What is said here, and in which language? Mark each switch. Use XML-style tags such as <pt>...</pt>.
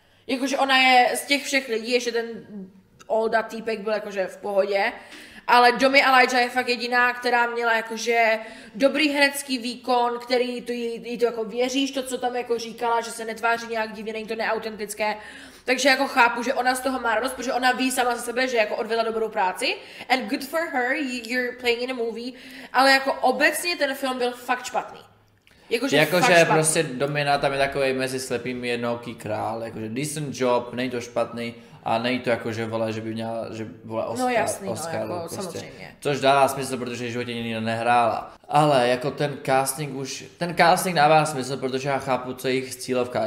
<cs>Jakože ona je z těch všech lidí, ještě ten olda týpek byl jakože v pohodě, ale Domy Alaija je fakt jediná, která měla jakože dobrý herecký výkon, který to jí to jako věříš, to co tam jako říkala, že se netváří nějak divně, není to neautentické. Takže jako chápu, že ona z toho má radost, protože ona ví sama za sebe, že jako odvedla dobrou práci.</cs> <en>And good for her, you're playing in a movie.</en> <cs>Ale jako obecně ten film byl fakt špatný. Jakože jako prostě Domina tam je takovej mezi slepými jednoký král. Jakože</cs> <en>decent job,</en> <cs>není to špatný. A není to jakože vole, že by měla, že vole Oscar. No jasný, Oscar, no, jako prostě. Samozřejmě. Což dává smysl, protože v životě nikdy nehrála. Ale jako ten casting už, ten casting dává smysl, protože já chápu, co je jejich cílovka.</cs>